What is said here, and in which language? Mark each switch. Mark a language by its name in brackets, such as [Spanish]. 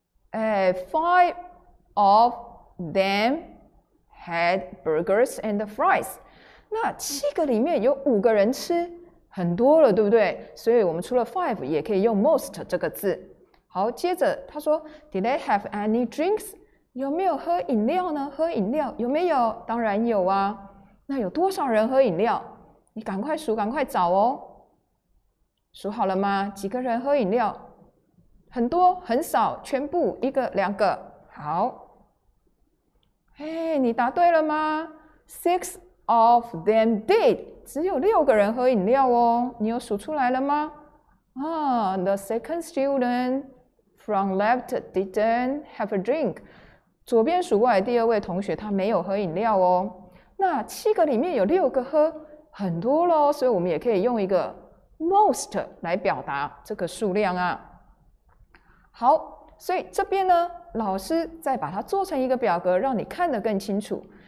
[English] 哎 ,five of them had burgers and fries. [Chinese] 那七个里面有五个人吃，很多了，对不对？所以我们除了 five 也可以用 most 这个字。好，接着他说 , [English] Did they have any drinks? [Chinese] 有没有喝饮料呢？喝饮料有没有？当然有啊。那有多少人喝饮料？你赶快数，赶快找哦。数好了吗？几个人喝饮料？很多？很少？全部？一个？两个？好。嘿，你答对了吗 ？ [English] Six of them did. [Chinese] 只有六个人喝饮料哦。你有数出来了吗？ [English] 啊 ，The second student from left didn't have a drink. [Chinese] 左边数过来第二位同学他没有喝饮料哦，那七个里面有六个喝，很多咯，所以我们也可以用一个 most 来表达这个数量啊。好，所以这边呢，老师再把它做成一个表格让你看得更清楚。